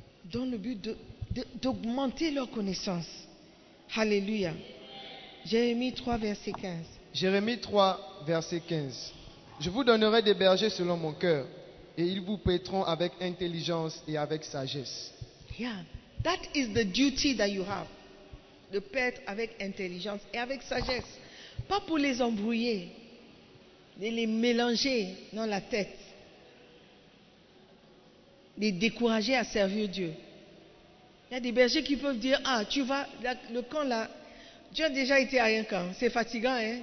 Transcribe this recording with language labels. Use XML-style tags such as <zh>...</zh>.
<fr>Dans le but d'augmenter leur connaissance. Alléluia. Jérémie 3, verset 15. Jérémie 3, verset 15. Je vous donnerai des bergers selon mon cœur, et ils vous paîtront avec intelligence et avec sagesse.</fr> <en>Yeah, that is the duty that you have.</en> <fr>De paître avec intelligence et avec sagesse. Pas pour les embrouiller, mais les mélanger dans la tête. Les décourager à servir Dieu. Il y a des bergers qui peuvent dire, ah, tu vas, le camp là, tu as déjà été à un camp, c'est fatigant, hein?</fr>